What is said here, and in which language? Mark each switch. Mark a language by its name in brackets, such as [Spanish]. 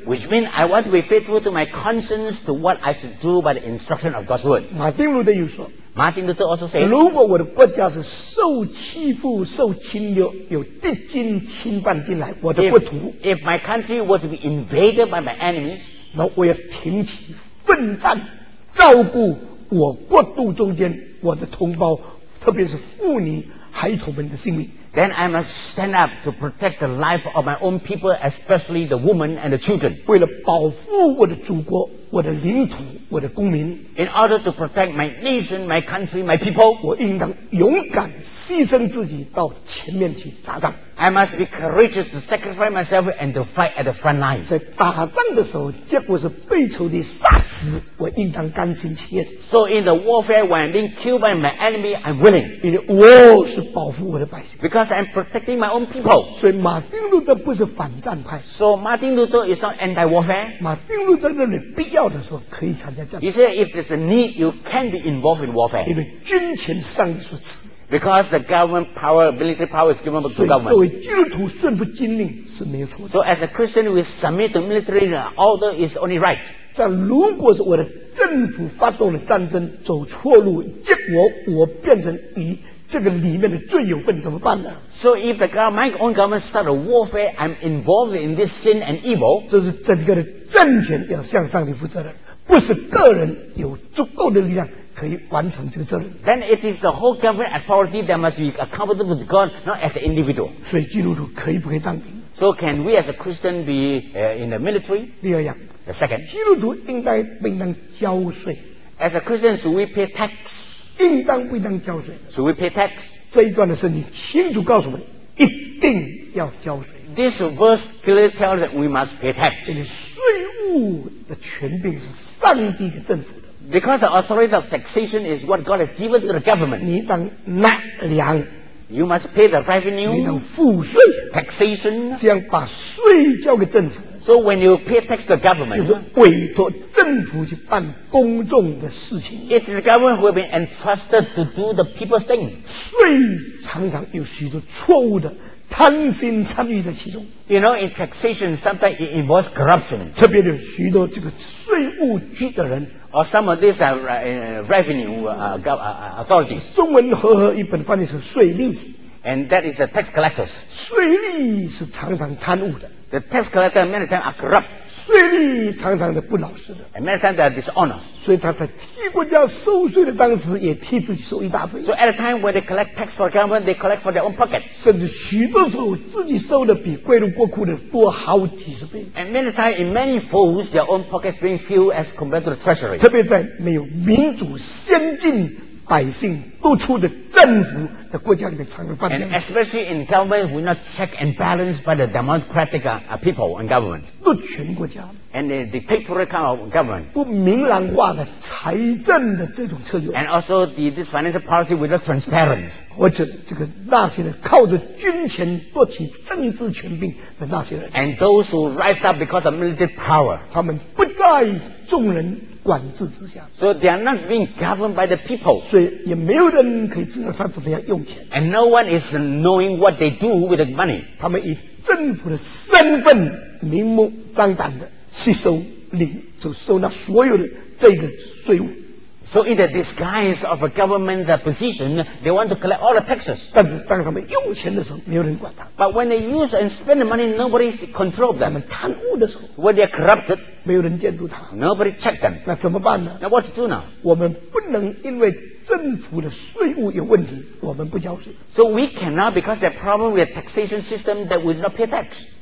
[English] which means I want to be faithful to my conscience to what I should do by the instruction of God's word [Chinese] 马丁路德又说 [English] Martin Luther also said [Chinese] 如果我的国家是受欺负受侵略有敌军侵犯进来我的国土 [English] if my country were to be invaded by my enemies [Chinese] 那我要挺起奋战照顾我国度中间我的同胞特别是妇女孩童们的性命 [English] Then I must stand up to protect the life of my own people, especially the women and the children. [Chinese] 为了保护我的祖国、我的领土、我的公民 [English] In order to protect my nation, my country, my people, [Chinese] 我应当勇敢牺牲自己到前面去打仗 [English] I must be courageous to sacrifice myself and to fight at the front line. [Chinese] 在打仗的时候，结果是被仇敌杀死，我应当甘心情愿 [English] So in the warfare when I'm being killed by my enemy, I'm willing. [Chinese] 因为我是保护我的百姓 [English] Because I'm protecting my own people. [Chinese] 所以马丁路德不是反战派 [English] So Martin Luther is not anti-warfare. [Chinese] 马丁路德认为必要的时候可以参加战争 [English] He said if there's a need, you can be involved in warfare. [Chinese] 因为军权上帝所赐 [English] Because the government power, military power is given to government. [Chinese] 作为基督徒顺服军令是没有错的。 [English] So as a Christian, we submit to military order is only right. [Chinese] 但如果是我的政府发动了战争，走错路，结果我变成与这个里面的罪有份，怎么办呢 [English] ？So if the government, my own government start a warfare, I'm involved in this sin and evil. [Chinese] 这是整个的政权要向上帝负责任，不是个人有足够的力量。可以完成这个责任 [English] Then it is the whole government authority that must be accountable to God, not as an individual. [Chinese] 所以基督徒可以不可以当兵 [English] ？So can we as a Christian be in the military? [Chinese] 第二样 [English] ，the second， [Chinese] 基督徒应该不应当交税 [English] ？As a Christian, should we pay tax? [Chinese] 应当不应当交税 [English] ？Should we pay tax? [Chinese] 这一段的圣经清楚告诉我们，一定要交税。 [English] This verse clearly tells that we must pay tax. [Chinese] 因为税务的权柄是上帝的政府。 [English] Because the authority of taxation is what God has given to the government. [Chinese] 你当纳粮 [English] You must pay the revenue. [Chinese] 你当赋税 [English] Taxation. [Chinese] 这样把税交给政府 [English] So when you pay tax to the government. [Chinese] 就是委托政府去办公众的事情 [English] It is the government who has been entrusted to do the people's thing. [Chinese] 税常常有许多错误的贪心参与在其中 [English] You know, in taxation, sometimes it involves corruption. [Chinese] 特别有许多这个税务局的人 [English] Or some of these revenue authorities. [Chinese] 中文和合一本翻译是税吏 [English] And that is the tax collectors. [Chinese] 税吏是常常贪污的 [English] The tax collector many times are corrupt. [Chinese] 税吏常常的不老实的 [English] And many times they are dishonest. [Chinese] 所以他在替国家收税的当时也替自己收一大笔 [English] So at a time when they collect tax for government, they collect for their own pocket. [Chinese] 甚至许多时候自己收的比归入国库的多好几十倍 [English] And many times in many folds, their own pockets being filled as compared to the treasury. [Chinese] 特别在没有民主先进百姓都出在政府的国家里面参与办。 [English] And especially in government, we're not check and balanced by the democratic people and government. [Chinese] 都全国家。 [English] And the dictatorial kind of government. [Chinese] 不明朗化的财政的这种策略。 [English] And also this financial policy without transparent. [Chinese] 或者这个那些人靠着军权夺取政治权柄的那些人。 [English] And those who rise up because of military power. [Chinese] 他们不在众人。管制之下 [English] so they are not being governed by the people [Chinese] 所以也没有人可以知道他怎么样用钱 [English] and no one is knowing what they do with the money [Chinese] 他们以政府的身份明目张胆的吸收领就收纳所有的这个税务 [English] so in the disguise of a government position they want to collect all the taxes [Chinese] 但是当他们用钱的时候没有人管他 [English] but when they use and spend the money nobody controls them [Chinese] 他们贪污的时候 [English] when they are corrupted [Chinese] 没有人监督他 [English] Nobody check them [Chinese] 那怎么办呢 [English] Now what to do now [Chinese] 我们不能因为政府的税务有问题我们不交税 [English] So we cannot because there's a problem with the taxation system that we do not pay tax